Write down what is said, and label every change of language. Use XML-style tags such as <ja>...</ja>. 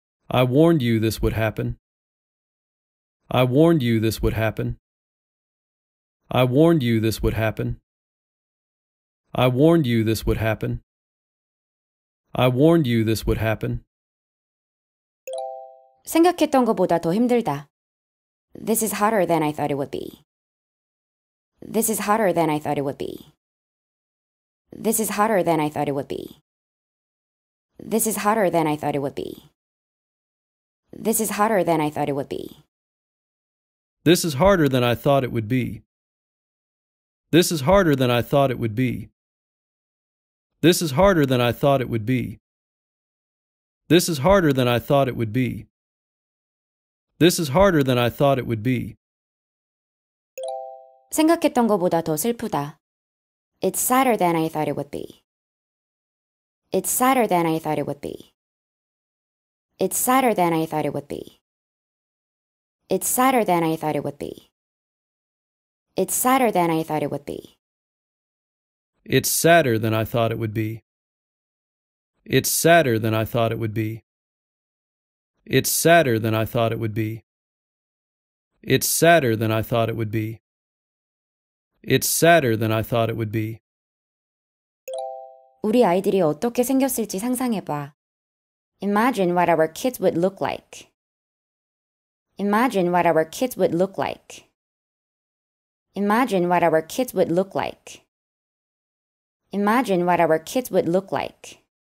<en>I warned you this would happen. I warned you this would happen. I warned you this would happen. I warned you this would happen. I warned you this would happen.</en> <ko>생각했던 것보다 더 힘들다.</ko> <en>This is harder than I thought it would be. This is harder than I thought it would be. This is harder than I thought it would be. This is harder than I thought it would be. This is harder than I thought it would be. This is harder than I thought it would be. This is harder than I thought it would be. This is harder than I thought it would be. This is harder than I thought it would be. This is harder than I thought it would be.</en> <ko>생각했던 것보다 더 슬프다.</ko> <en>It's sadder than I thought it would be. It's sadder than I thought it would be. It's sadder than I thought it would be. It's sadder than I thought it would be. It's sadder than I thought it would be. It's sadder than I thought it would be. It's sadder than I thought it would be. It's sadder than I thought it would be. It's sadder than I thought it would be. It's sadder than I thought it would be.</en> <ko>우리 아이들이 어떻게 생겼을지 상상해봐.</ko> <en>Imagine what our kids would look like. Imagine what our kids would look like. Imagine what our kids would look like. Imagine what our kids would look like.</en>